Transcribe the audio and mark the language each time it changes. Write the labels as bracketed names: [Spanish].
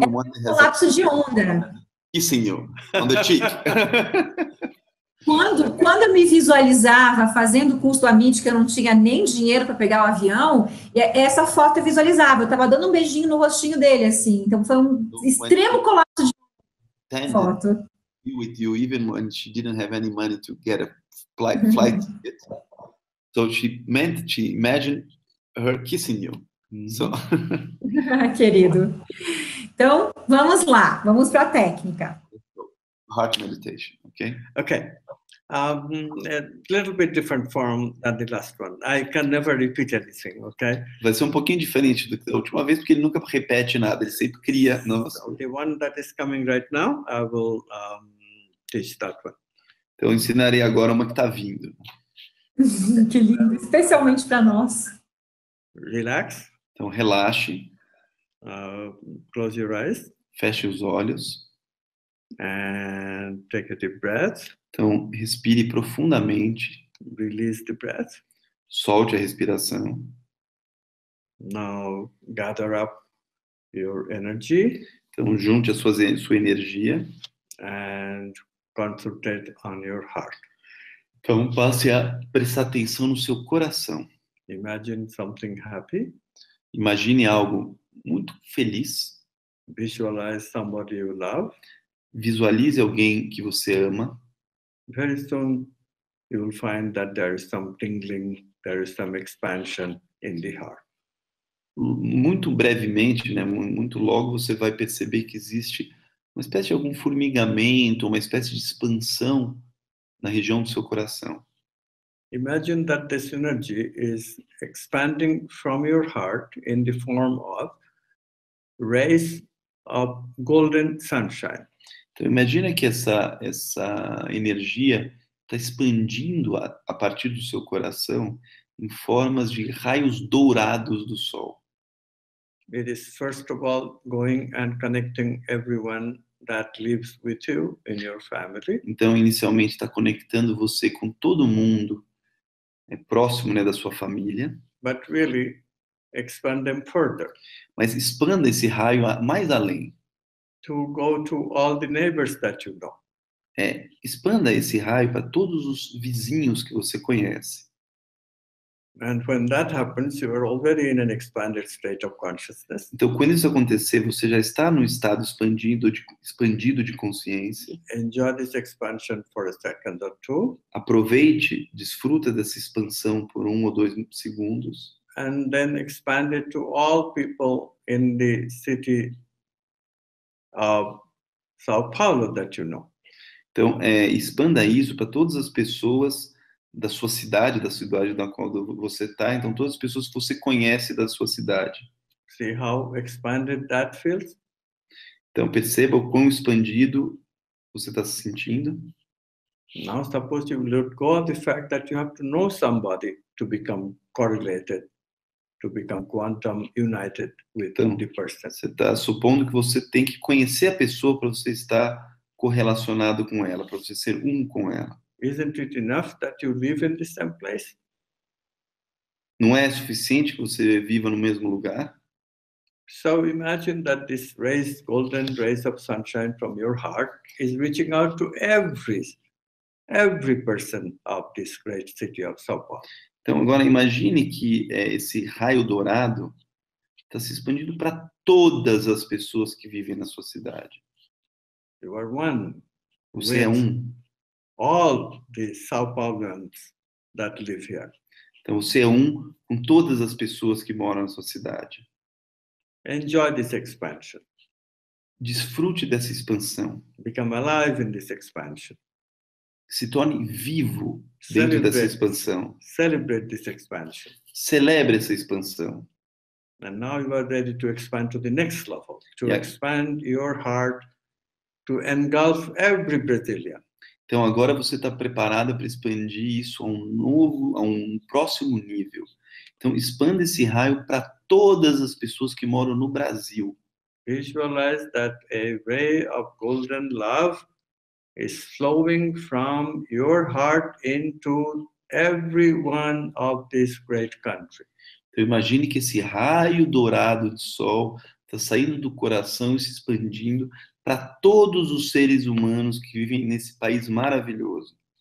[Portuguese] colapso de onda. E senhor, onda chique. Quando eu me visualizava fazendo o curso do Amit, que eu não tinha nem dinheiro para pegar o avião, essa foto eu visualizava, eu estava dando um beijinho no rostinho dele, assim. Então foi um extremo colapso de foto. [English] Be with you, even when she didn't have any money to get a flight ticket. So she imagined her kissing you. So... [Portuguese] Querido. Então, vamos lá, vamos para a técnica. [English] Heart meditation, okay? Okay. A little bit different form than the last one. I can never repeat anything, okay? [Portuguese] Vai ser um pouquinho diferente do que da última vez, porque ele nunca repete nada, ele sempre cria novas. [English] So the one that is coming right now, I will teach that one. [Portuguese] Então, eu ensinarei agora uma que está vindo. Que lindo, especialmente para nós. [English] Relax. [Portuguese] Então, relaxe. [English] Close your eyes. [Portuguese] Feche os olhos. [English] And take a deep breath. [Portuguese] Então, respire profundamente. [English] Release the breath. [Portuguese] Solte a respiração. [English] Now, gather up your energy. [Portuguese] Então, junte a sua energia. [English] And concentrate on your heart. [Portuguese] Então, passe a prestar atenção no seu coração. [English] Imagine something happy. [Portuguese] Imagine algo muito feliz. [English] Visualize somebody you love. [Portuguese] Visualize alguém que você ama. [English] Very soon you will find that there is some tingling, there is some expansion in the heart. [Portuguese] Muito brevemente, né, muito logo você vai perceber que existe uma espécie de algum formigamento, uma espécie de expansão na região do seu coração. [English] Imagine that this energy is expanding from your heart in the form of rays of golden sunshine. [Portuguese] Então, imagina que essa energia está expandindo a partir do seu coração em formas de raios dourados do sol. [English] It is first of all going and connecting everyone that lives with you in your family. [Portuguese] Então, inicialmente está conectando você com todo mundo é próximo, né, da sua família. [English] But really expand them further. [Portuguese] Mas expanda esse raio mais além. [English] To go to all the neighbors that you know. [Portuguese] É, expanda esse raio para todos os vizinhos que você conhece. [English] And when that happens, you are already in an expanded state of consciousness. [Portuguese] Então, quando isso acontecer, você já está no estado expandido de consciência. [English] Enjoy this expansion for a second or two. [Portuguese] Aproveite, desfruta dessa expansão por 1 ou 2 segundos. [English] And then expand it to all people in the city of São Paulo that you know. [Portuguese] Então, expanda isso para todas as pessoas da sua cidade, da cidade na qual você está. Então, todas as pessoas que você conhece da sua cidade. [English] See how expanded that feels? [Portuguese] Então, perceba o quão expandido você está se sentindo. [English] Now, suppose you let go of the fact that you have to know somebody to become correlated. To become quantum united with the person. [Portuguese] Você está supondo que você tem que conhecer a pessoa para você estar correlacionado com ela, para você ser um com ela. [English] Isn't it enough that you live in the same place? [Portuguese] Não é suficiente que você viva no mesmo lugar? [English] So imagine that this rays, golden rays of sunshine from your heart is reaching out to every person of this great city of São Paulo. [Portuguese] Então, agora imagine que esse raio dourado está se expandindo para todas as pessoas que vivem na sua cidade. [English] You are one. [Portuguese] Você é um. [English] All the São Paulians that live here. [Portuguese] Então, você é um com todas as pessoas que moram na sua cidade. [English] Enjoy this expansion. [Portuguese] Desfrute dessa expansão. [English] Become alive in this expansion. [Portuguese] Se torne vivo dentro dessa expansão. [English] Celebrate this expansion. [Portuguese] Celebre essa expansão. [English] And now you are ready to expand to the next level. To expand your heart to engulf every Brazilian. [Portuguese] Então agora você está preparado para expandir isso a um próximo nível. Então expanda esse raio para todas as pessoas que moram no Brasil. [English] Visualize that a ray of golden love is flowing from your heart into every one of this great country. [Portuguese] Então imagine que esse raio dourado de sol está saindo do coração e se expandindo para todos os seres humanos que vivem nesse país maravilhoso.